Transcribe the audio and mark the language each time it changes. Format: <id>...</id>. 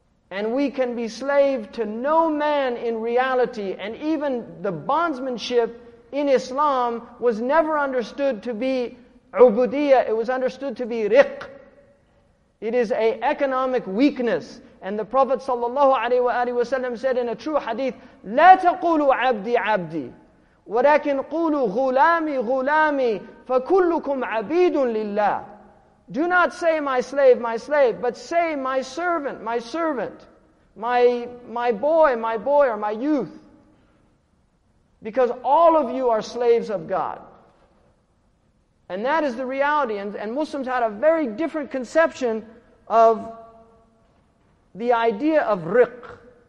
<en>And we can be slave to no man in reality. And even the bondsmanship in Islam was never understood to be ubudiyya. It was understood to be riq. It is an economic weakness. And the Prophet ﷺ said in a true hadith,</en> <ar>لا تقولوا عبدي عبدي ولكن قولوا غلامي غلامي فكلكم عبيد لله.</ar> <en>Do not say my slave, but say my servant, my boy, or my youth. Because all of you are slaves of God. And that is the reality. And Muslims had a very different conception of the idea of riq.</en>